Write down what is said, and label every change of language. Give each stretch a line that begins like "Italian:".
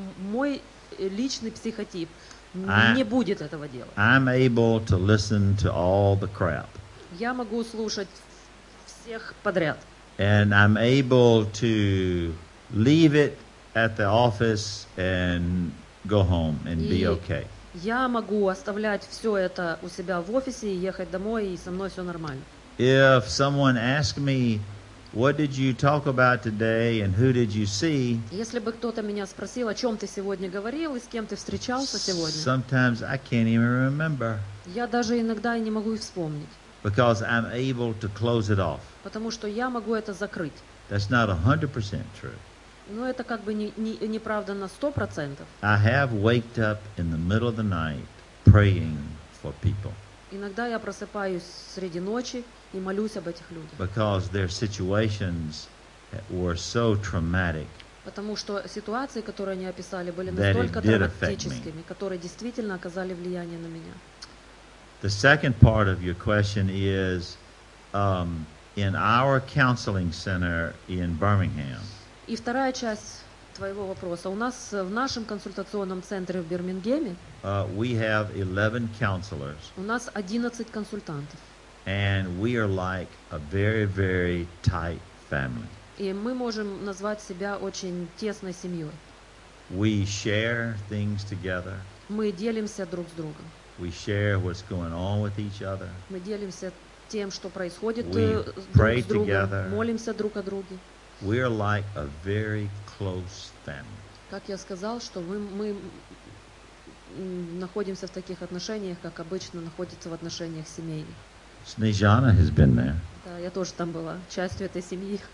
Russian: Мой личный психотип не будет этого делать.
English: I'm able to listen to all the crap.
Russian: Я могу слушать всех подряд.
English: And I'm able to leave it at the office and go home and be okay.
Russian: Я могу оставлять все это у себя в офисе и ехать домой, и со мной все нормально.
English: If someone asked me, what did you talk about today and who did you see?
Russian: Если бы кто-то меня спросил, о чём ты сегодня говорил и с кем ты встречался сегодня?
English: Sometimes I can't even remember.
Russian: Я даже иногда и не могу и вспомнить.
English: Because I'm able to close it off.
Russian: Потому что я могу это закрыть.
English: That's not 100% true.
Russian: Но это как бы не правда на 100%.
English: I have waked up in the middle of the night praying for people.
Russian: Иногда я просыпаюсь среди ночи и молюсь об этих людях.
English: Because their situations were so traumatic.
Russian: Потому что ситуации, которые они описали, были настолько драматическими, которые действительно оказали влияние на меня.
English: The second part of your question is in our counseling center in Birmingham.
Russian: И вторая часть твоего вопроса. У нас в нашем консультационном центре в Бирмингеме
English: we have 11 counselors.
Russian: У нас 11 консультантов.
English: And we are like a very, very tight family.
Russian: И мы можем назвать себя очень тесной семьей.
English: We share things together.
Russian: Мы делимся друг с другом.
English: We share what's going on with each other.
Russian: Мы делимся тем, что происходит друг с другом.
English: We pray together.
Russian: Молимся друг о друге.
English: We are like a very close family.
Russian: Как я сказал, что мы находимся в таких отношениях, как обычно находятся в отношениях семейных.
English: Snejana has been there.
Russian: Да, я тоже там была, частью этой семьи.